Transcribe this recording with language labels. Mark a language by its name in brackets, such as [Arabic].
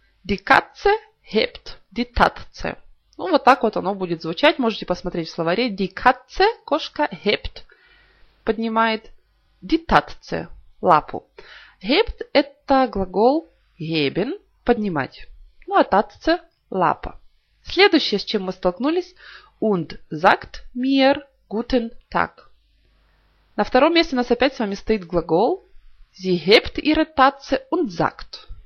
[German] Die Katze hebt die Tatze. [Russian] Ну, вот так вот оно будет звучать. Можете посмотреть в словаре. [German] Die Katze, кошка, hebt, поднимает die Tatze, лапу. Hebt – [Russian] это глагол Heben – поднимать. Ну, а Tatze – лапа. Следующее, с чем мы столкнулись – [German] und sagt mir guten Tag. [Russian] На втором месте у нас опять с вами стоит глагол [German] «Sie hebt ihre Tatze und sagt».